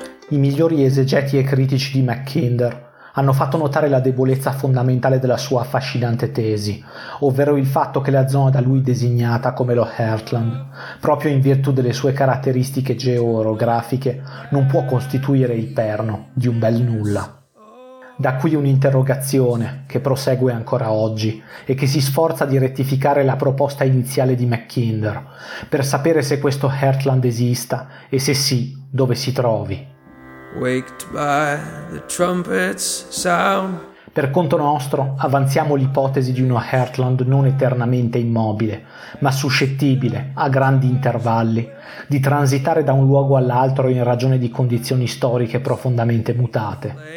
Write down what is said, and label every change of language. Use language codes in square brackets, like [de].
[it] I migliori esegeti e critici di Mackinder hanno fatto notare la debolezza fondamentale della sua affascinante tesi, ovvero il fatto che la zona da lui designata come lo Heartland, proprio in virtù delle sue caratteristiche geo-orografiche, non può costituire il perno di un bel nulla. Da qui un'interrogazione che prosegue ancora oggi e che si sforza di rettificare la proposta iniziale di Mackinder per sapere se questo Heartland esista e se sì, dove si trovi. [en] Waked by the trumpet's sound. [it] Per conto nostro, avanziamo l'ipotesi di uno Heartland non eternamente immobile, ma suscettibile, a grandi intervalli, di transitare da un luogo all'altro in ragione di condizioni storiche profondamente mutate.